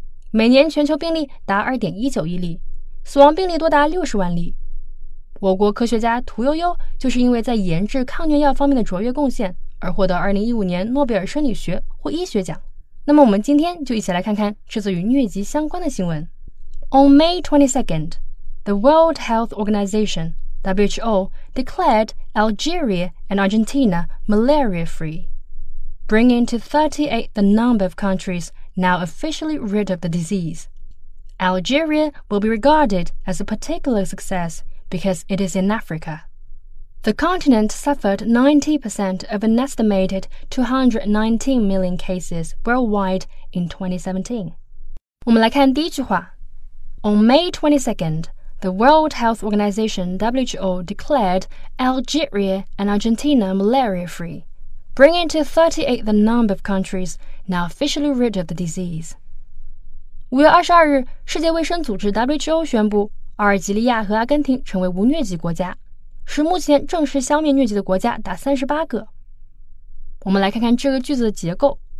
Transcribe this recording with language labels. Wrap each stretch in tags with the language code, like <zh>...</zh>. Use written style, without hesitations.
<zh>每年全球病例达 2.19 亿例，死亡病例多达60万例。我国科学家屠呦呦就是因为在研制抗疟药方面的卓越贡献而获得2015年诺贝尔生理学或医学奖。那么我们今天就一起来看看这则与疟疾相关的新闻。</zh> <en>On May 22nd, the World Health Organization, WHO, declared Algeria and Argentina malaria-free, bringing to 38 the number of countriesNow officially rid of the disease. Algeria will be regarded as a particular success because it is in Africa. The continent suffered 90% of an estimated 219 million cases worldwide in 2017.</en> <zh>我们来看第一句话。</zh> <en>On May 22nd, the World Health Organization, WHO, declared Algeria and Argentina malaria-free. Bringing to 38 the number of countries now officially rid of the disease.</en> <zh>5月22日，世界卫生组织 WHO 宣布，阿尔及利亚和阿根廷成为无疟疾国家，使目前正式消灭疟疾的国家达38个。我们来看看这个句子的结构。</zh>